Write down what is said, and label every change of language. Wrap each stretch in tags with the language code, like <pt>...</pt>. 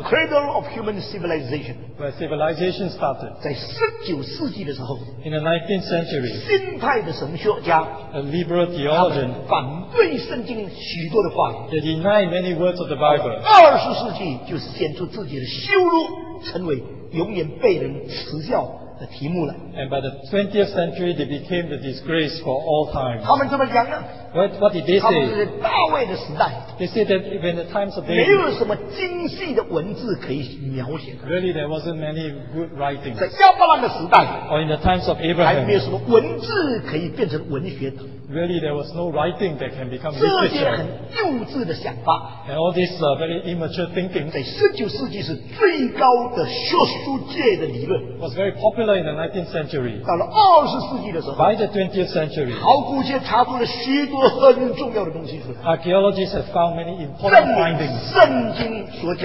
<en>the cradle of human civilization, where civilization started.</en> <zh>在19世纪的时候,</zh> <en>in the 19th century,</en> <zh>新派的神学家,</zh> <en>a liberal theologian,</en> <zh>反对圣经许多的话语,</zh> <en>they denied many words of the Bible.</en> <zh>20世纪就显出自己的羞辱, 成为永远被人耻笑的题目了。</zh> <en>And by the 20th century, they became the disgrace for all time.</en> <zh>他们这么讲呢?</zh> <en>What did they say? They said that in the times of David, really there wasn't many good writings.</en> <zh>在亚伯兰的时代,</zh> <en>or in the times of Abraham,</en> <zh>还没有什么文字可以变成文学,</zh> <en>really there was no writing that can become literature. And all this very immature thinking was very popular in the 19th century. By the 20th century, archaeologists have found many important findings.</en>